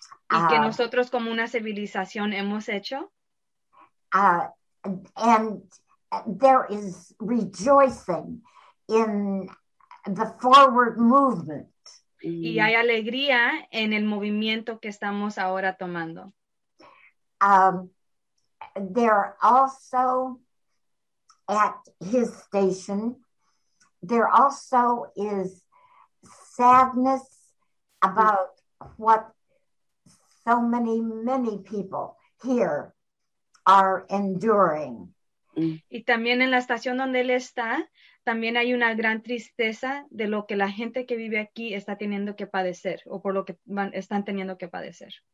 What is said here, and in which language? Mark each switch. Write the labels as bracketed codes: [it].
[es] Y que nosotros como una civilización hemos hecho. [en] And there is rejoicing in the forward movement. [es] Y hay alegría en el movimiento que estamos ahora tomando. [en] There also, at his station, there also is sadness about what so many people here are enduring. [es] Y también en la estación donde él está, también hay una gran tristeza de lo que la gente que vive aquí está teniendo que padecer, o por lo que van, están teniendo que padecer.